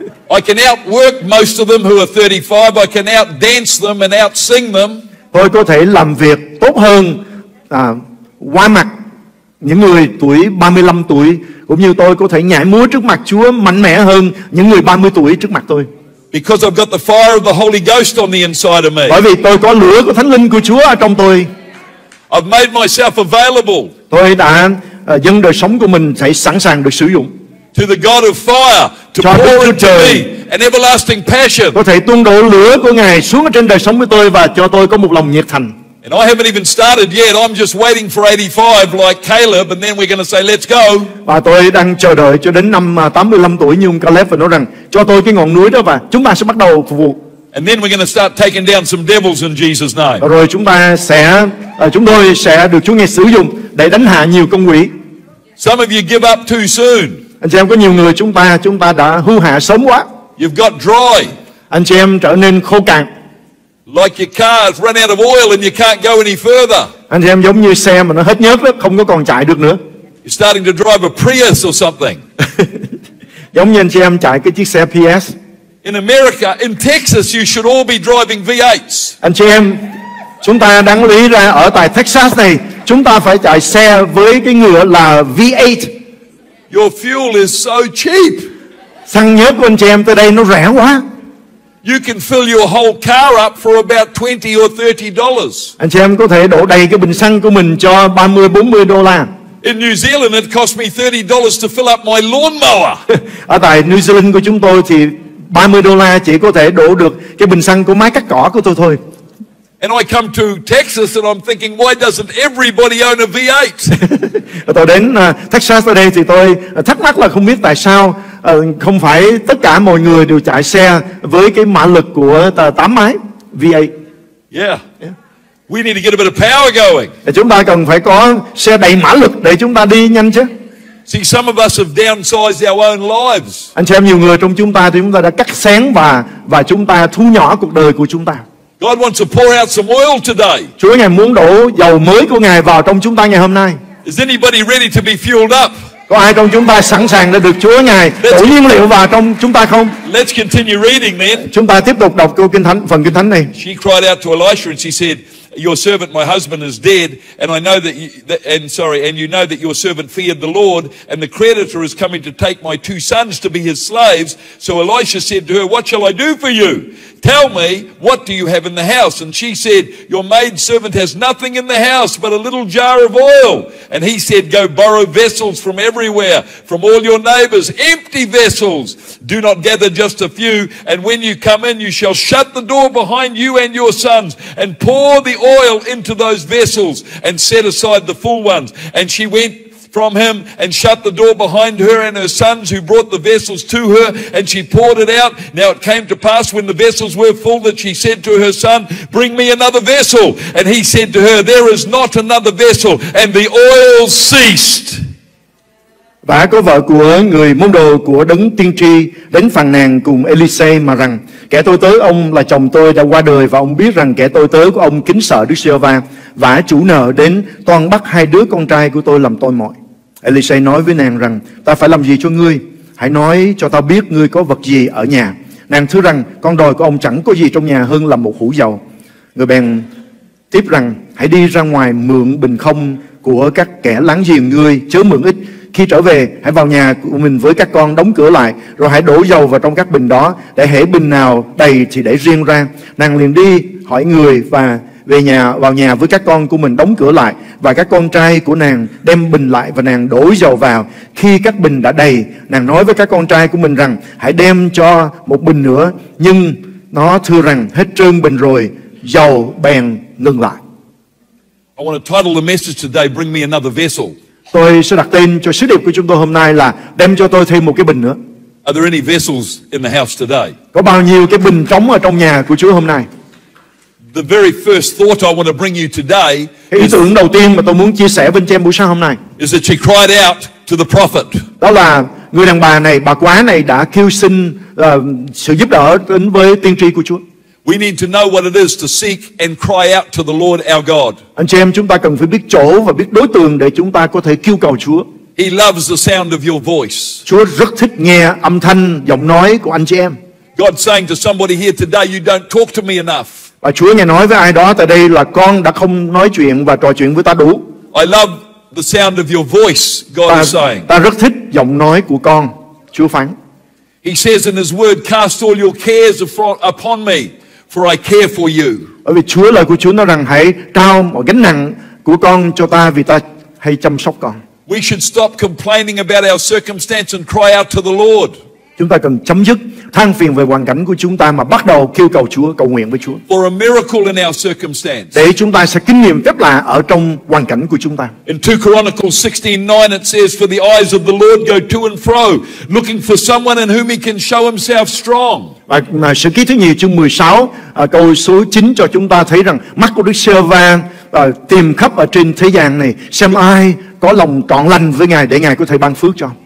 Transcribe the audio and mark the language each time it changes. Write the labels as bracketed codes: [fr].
[en] I can outwork most of them who are 35. I can outdance them and outsing them. [vi] Tôi có thể làm việc tốt hơn qua mặt những người tuổi 35 tuổi, cũng như tôi có thể nhảy múa trước mặt Chúa mạnh mẽ hơn những người 30 tuổi trước mặt tôi. [en] Because I've got the fire of the Holy Ghost on the inside of me. [vi] Bởi vì tôi có lửa của Thánh Linh của Chúa ở trong tôi. [en] I've made myself available. [vi] Tôi đã dâng đời sống của mình sẽ sẵn sàng được sử dụng. [en] To the God of fire to [vi] cho [en] pour [vi] Đức [en] into me an everlasting passion. [vi] Có thể tuôn đổ lửa của Ngài xuống ở trên đời sống của tôi và cho tôi có một lòng nhiệt thành. [en] And I haven't even started yet. I'm just waiting for 85 like Caleb and then we're going to say let's go. [vi] Và tôi đang chờ đợi cho đến năm 85 tuổi như ông Caleb và nói rằng cho tôi cái ngọn núi đó và chúng ta sẽ bắt đầu phục vụ. [en] And then we're going to start taking down some devils in Jesus' name. [vi] Rồi chúng tôi sẽ được Chúa Ngài sử dụng để đánh hạ nhiều con quỷ. [en] Some of you give up too soon. [vi] Anh chị em, có nhiều người chúng ta đã hư hạ sớm quá. [en] You've got dry. [vi] Anh chị em trở nên khô cạn. [en] Like your car has run out of oil and you can't go any further. [vi] Anh chị em giống như xe mà nó hết nhớt đó, không có còn chạy được nữa. [en] You're starting to drive a Prius or something. [vi] Giống như anh chị em chạy cái chiếc xe PS. [en] In America, in Texas, you should all be driving V8s. [vi] Anh chị em, chúng ta đáng lý ra ở tại Texas này, chúng ta phải chạy xe với cái ngựa là V8. [en] Your fuel is so cheap. [vi] Xăng nhớt của anh chị em tới đây nó rẻ quá. [en] You can fill your whole car up for about $20 or $30. [vi] Anh chị em có thể đổ đầy cái bình xăng của mình cho $30-$40. [en] In New Zealand, it cost me $30 to fill up my lawnmower. [vi] Ở tại New Zealand của chúng tôi thì $30 chỉ có thể đổ được cái bình xăng của máy cắt cỏ của tôi thôi. [en] And I come to Texas and I'm thinking, why doesn't everybody own a V8? [vi] Tôi đến Texas ở đây thì tôi thắc mắc là không biết tại sao không phải tất cả mọi người đều chạy xe với cái mã lực của 8 máy V8. [en] Yeah. We need to get a bit of power going. [vi] Chúng ta cần phải có xe đầy mã lực để chúng ta đi nhanh chứ. [en] See, some of us have downsized our own lives. [vi] Anh xem nhiều người trong chúng ta thì chúng ta đã cắt xén và chúng ta thu nhỏ cuộc đời của chúng ta. [en] God wants to pour out some oil today. [vi] Chúa Ngài muốn đổ dầu mới của Ngài vào trong chúng ta ngày hôm nay. [en] Is anybody ready to be fueled up? [vi] Có ai trong chúng ta sẵn sàng để được Chúa Ngài đổ nhiên liệu vào trong chúng ta không? [en] Let's continue reading then. [vi] Chúng ta tiếp tục đọc câu kinh thánh, phần kinh thánh này. [en] She cried out to Elisha and she said, "Your servant, my husband, is dead, and I know that, and you know that your servant feared the Lord, and the creditor is coming to take my two sons to be his slaves." So Elisha said to her, "What shall I do for you? Tell me, what do you have in the house?" And she said, "Your maid servant has nothing in the house but a little jar of oil." And he said, "Go borrow vessels from everywhere, from all your neighbors, empty vessels. Do not gather just a few. And when you come in, you shall shut the door behind you and your sons, and pour the oil into those vessels, and set aside the full ones." And she went from him and shut the door behind her and her sons who brought the vessels to her, and she poured it out. Now it came to pass when the vessels were full that she said to her son, "Bring me another vessel." And he said to her, "There is not another vessel." And the oil ceased. [vi] Bà có vợ của người môn đồ của đấng tiên tri đến phàn nàn cùng Elise mà rằng: "Kẻ tôi tớ ông là chồng tôi đã qua đời, và ông biết rằng kẻ tôi tớ của ông kính sợ Đức Giê-hô-va, vả chủ nợ đến toan bắt hai đứa con trai của tôi làm tôi mọi." Elise nói với nàng rằng: "Ta phải làm gì cho ngươi? Hãy nói cho ta biết ngươi có vật gì ở nhà." Nàng thưa rằng: "Con đòi của ông chẳng có gì trong nhà hơn là một hũ dầu." Người bèn tiếp rằng: Hãy đi ra ngoài mượn bình không của các kẻ láng giềng ngươi, chớ mượn ít. Khi trở về, hãy vào nhà của mình với các con, đóng cửa lại, rồi hãy đổ dầu vào trong các bình đó, để hễ bình nào đầy thì để riêng ra. Nàng liền đi hỏi người và về nhà, vào nhà với các con của mình, đóng cửa lại, và các con trai của nàng đem bình lại và nàng đổ dầu vào. Khi các bình đã đầy, nàng nói với các con trai của mình rằng: Hãy đem cho một bình nữa. Nhưng nó thưa rằng: Hết trơn bình rồi. Dầu bèn ngừng lại. [en] I want to title the message today, bring me another vessel. [vi] Tôi sẽ đặt tên cho sứ điệp của chúng tôi hôm nay là đem cho tôi thêm một cái bình nữa. [en] Are there any vessels in the house today? [vi] Có bao nhiêu cái bình trống ở trong nhà của Chúa hôm nay? [en] The very first thought I want to bring you today, [vi] ý tưởng đầu tiên mà tôi muốn chia sẻ với anh chị em buổi sáng hôm nay, [en] is that she cried out to the prophet. [vi] Đó là người đàn bà này, bà quá này đã kêu xin sự giúp đỡ đến với tiên tri của Chúa. [en] We need to know what it is to seek and cry out to the Lord our God. [vi] Anh chị em, chúng ta cần phải biết chỗ và biết đối tượng để chúng ta có thể kêu cầu Chúa. [en] He loves the sound of your voice. [vi] Chúa rất thích nghe âm thanh giọng nói của anh chị em. [en] God saying to somebody here today, you don't talk to me enough. [vi] Và Chúa nghe nói với ai đó tại đây là con đã không nói chuyện và trò chuyện với ta đủ. [en] I love the sound of your voice, God is saying. [vi] Ta rất thích giọng nói của con, Chúa phán. [en] He says in his word, cast all your cares upon me. For I care for you. [vi] Bởi vì Chúa, lời của Chúa nói rằng hãy trao mọi gánh nặng của con cho ta vì ta hay chăm sóc con. [en] We should stop complaining about our circumstance and cry out to the Lord. [vi] Chúng ta cần chấm dứt than phiền về hoàn cảnh của chúng ta mà bắt đầu kêu cầu Chúa, cầu nguyện với Chúa. [en] For a miracle in our circumstance. [vi] Để chúng ta sẽ kinh nghiệm phép lạ ở trong hoàn cảnh của chúng ta. [en] In 2 Chronicles 16:9 it says, For the eyes of the Lord go to and fro, looking for someone in whom he can show himself strong. [vi] Và Sử Ký thứ nhì chương 16 câu số 9 cho chúng ta thấy rằng mắt của Đức Giê-hô-va tìm khắp ở trên thế gian này xem ai có lòng trọn lành với Ngài để Ngài có thể ban phước cho.